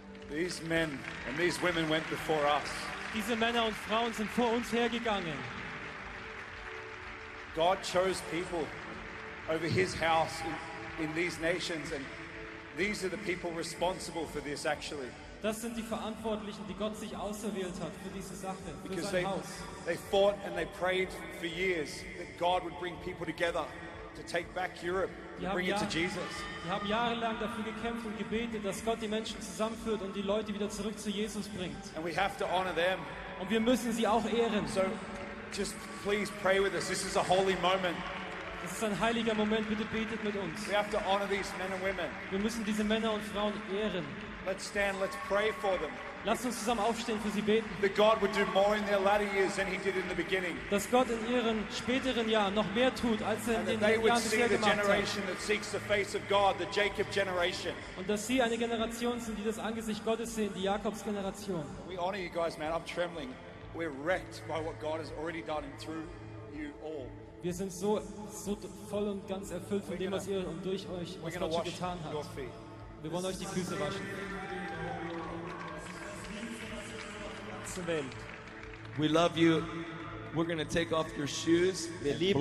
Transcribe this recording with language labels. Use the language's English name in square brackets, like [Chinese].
[English] These men and these women went before us. [German] Diese Männer und Frauen sind vor uns hergegangen. [English] God chose people over his house in these nations, and these are the people responsible for this actually. [German] Das sind die Verantwortlichen, die Gott sich auserwählt hat für diese Sache, für [English] because [German] sein Haus. [English] They fought and they prayed for years that God would bring people together to take back Europe, to bring it to Jesus. [German] Die haben jahrelang dafür gekämpft und gebetet, dass Gott die Menschen zusammenführt und die Leute wieder zurück zu Jesus bringt. [English] And we have to honor them. [German] Und wir müssen sie auch ehren. [English] So just please pray with us. This is a holy moment. [German] Es ist ein heiliger Moment, bitte betet mit uns. [English] We have to honor these men and women. [German] Wir müssen diese Männer und Frauen ehren. [English] Let's stand, let's pray for them. [German] Lasst uns zusammen aufstehen für sie beten. [English] That God would do more in their latter years than he did in the beginning. [German] Dass Gott in ihren späteren Jahren noch mehr tut, als er in den Jahren bisher gemacht hat. [English] The generation that seeks the face of God, the Jacob generation. [German] Und dass sie eine Generation sind, die das Angesicht Gottes sehen, die Jakobs Generation. [English] We honor you guys, man. I'm trembling. We're wrecked by what God has already done through you all. [German] Wir sind so, so voll und ganz erfüllt von dem, was ihr und durch euch was Gott getan hat. Wir wollen euch die Füße waschen. [English] We love you. We're gonna take off your shoes. [German] Wir lieben